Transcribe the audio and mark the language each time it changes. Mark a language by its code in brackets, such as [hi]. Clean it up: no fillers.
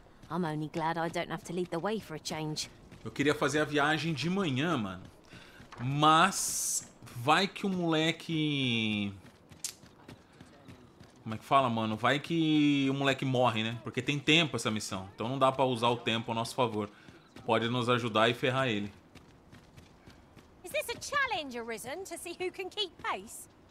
[en] I'm only glad I don't have to lead the way for a change. [pt] Eu queria fazer a viagem de manhã, mano. Mas vai que o moleque... Como é que fala, mano? Vai que o moleque morre, né? Porque tem tempo essa missão. Então não dá pra usar o tempo a nosso favor. Pode nos ajudar e ferrar ele. [en] Is this a challenge arisen to see who can keep pace?